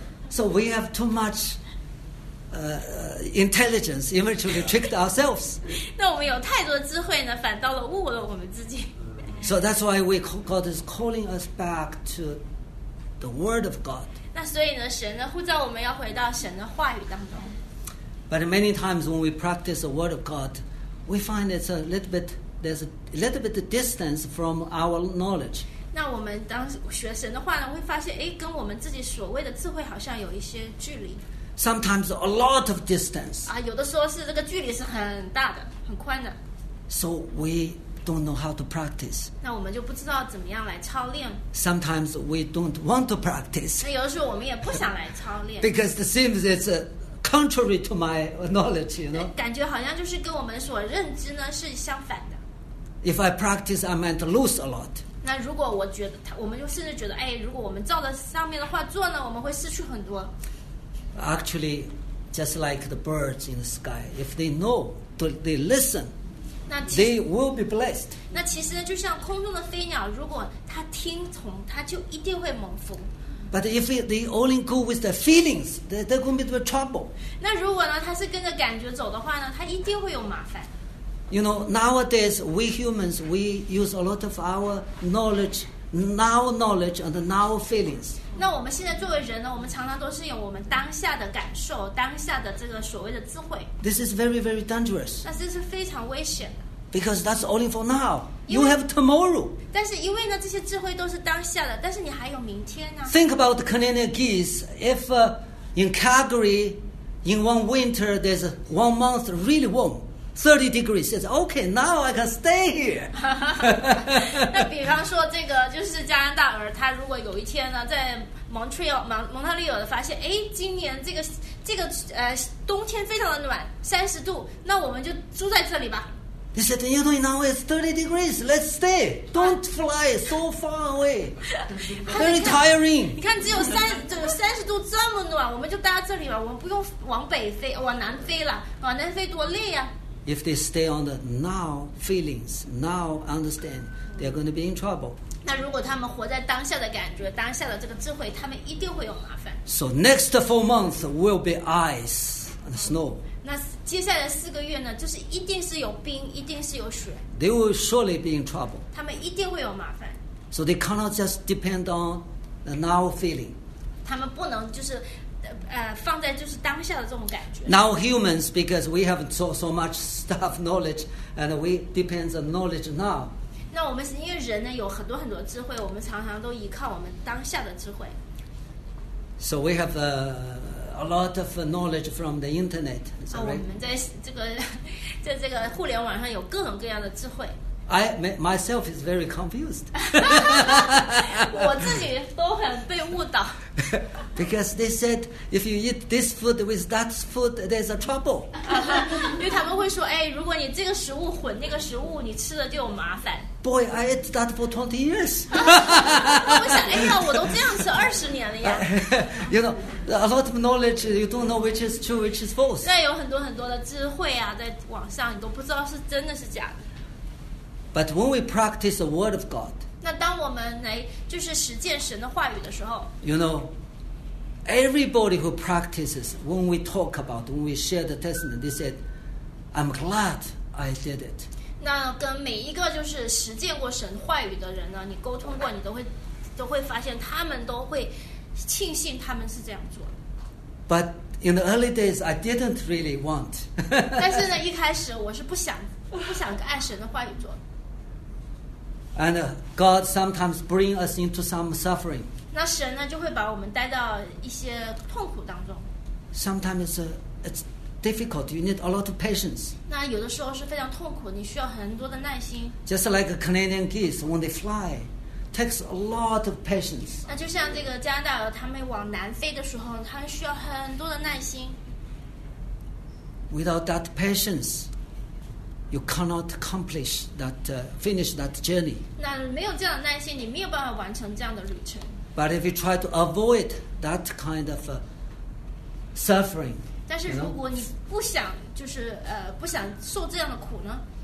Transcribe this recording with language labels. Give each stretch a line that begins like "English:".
English: so we have too much intelligence. Eventually, tricked ourselves.
Chinese: 那我们有太多智慧呢，反倒了误了我们自己。
English: So that's why God is calling us back to the Word of God.
Chinese: 那所以呢，神呢呼召我们要回到神的话语当中。
English: But many times when we practice the Word of God, we find there's a little bit distance from our knowledge.
Chinese: 那我们当学神的话呢，会发现，哎，跟我们自己所谓的智慧好像有一些距离。
English: Sometimes a lot of distance.
Chinese: 啊，有的时候是这个距离是很大的，很宽的。
English: So we. Don't know how to practice.
Chinese: 那我们就不知道怎么样来操练。
English: Sometimes we don't want to practice.
Chinese: 那有的时候我们也不想来操练。
English: Because it seems it's contrary to my knowledge, you know.
Chinese: 感觉好像就是跟我们所认知呢是相反的。
English: If I practice, I might lose a lot.
Chinese: 那如果我觉得，我们就甚至觉得，哎，如果我们照着上面的话做呢，我们会失去很多。
English: Actually, just like the birds in the sky, if they know, they listen. They will be blessed.
Chinese: 那其实就像空中的飞鸟，如果它听从，它就一定会蒙福。
English: But if they only go with the feelings, they're going to be trouble.
Chinese: 那如果呢，它是跟着感觉走的话呢，它一定会有麻烦。
English: You know, nowadays we humans we use a lot of our knowledge, now knowledge and now feelings.
Chinese: 那我们现在作为人呢，我们常常都是用我们当下的感受，当下的这个所谓的智慧。
English: This is very, very dangerous.
Chinese: 那这是非常危险的。
English: Because that's only for now. You have tomorrow.
Chinese: 但是因为呢，这些智慧都是当下的，但是你还有明天呢。
English: Think about the Canadian geese. If in Calgary, in one winter, there's one month really warm. 30 degrees says, okay, now I can stay here.
Chinese: 那比方说这个就是加拿大人，他如果有一天呢，在蒙特利尔发现，哎，今年这个冬天非常的暖，30度，那我们就住在这里吧。
English: He said, you know, now it's 30 degrees, let's stay. Don't fly so far away. Very tiring.
Chinese: 你看只有30度这么暖，我们就待在这里吧，我们不用往北飞，往南飞了，往南飞多累呀。
English: If they stay on the now feelings, now understand, they're going to be in trouble.
Chinese: 那如果他们活在当下的感觉，当下的这个智慧，他们一定会有麻烦。
English: So next 4 months will be ice and snow.
Chinese: 那接下来4个月呢，就是一定是有冰，一定是有雪。
English: They will surely be in trouble.
Chinese: 他们一定会有麻烦。
English: So they cannot just depend on the now feeling.
Chinese: 他们不能就是。放在就是当下的这种感觉。
English: Now humans, because we have so much stuff knowledge, and we depends on knowledge now.
Chinese: 那我们是因为人呢有很多很多智慧，我们常常都依靠我们当下的智慧。
English: So we have a lot of knowledge from the internet. Is that right?
Chinese: 我们在这个互联网上有各种各样的智慧。
English: I myself is very confused.
Chinese: 我自己都很被误导。
English: Because they said if you eat this food with that food, there's a trouble.
Chinese: 因为他们会说，哎，如果你这个食物混那个食物，你吃的就有麻烦。
English: Boy, I ate that for 20 years.
Chinese: 我想，哎呀，我都这样吃20年了呀。
English: You know, a lot of knowledge, you don't know which is true, which is false.
Chinese: 对，有很多很多的智慧啊，在网上你都不知道是真的是假的。
English: But when we practice the Word of God,
Chinese: 那当我们来就是实践神的话语的时候
English: You know, everybody who practices, when we talk about, when we share the testimony, they said, I'm glad I did it.
Chinese: 那跟每一个就是实践过神话语的人呢，你沟通过，你都会发现他们都会庆幸他们是这样做的。
English: But in the early days, I didn't really want.
Chinese: 但是呢，一开始我是不想按神的话语做。
English: And God sometimes bring us into some suffering.
Chinese: 那神呢，就会把我们带到一些痛苦当中。
English: Sometimes it's difficult. You need a lot of patience.
Chinese: 那有的时候是非常痛苦，你需要很多的耐心。
English: Just like Canadian geese when they fly. Takes a lot of patience.
Chinese: 那就像这个加拿大鹅，他们往南飞的时候，他们需要很多的耐心。
English: Without that patience, you cannot accomplish that, finish that journey.
Chinese: 那没有这样的耐心，你没有办法完成这样的旅程。
English: But if you try to avoid that kind of, suffering,
Chinese: 但是如果你不想，就是不想受这样的苦呢？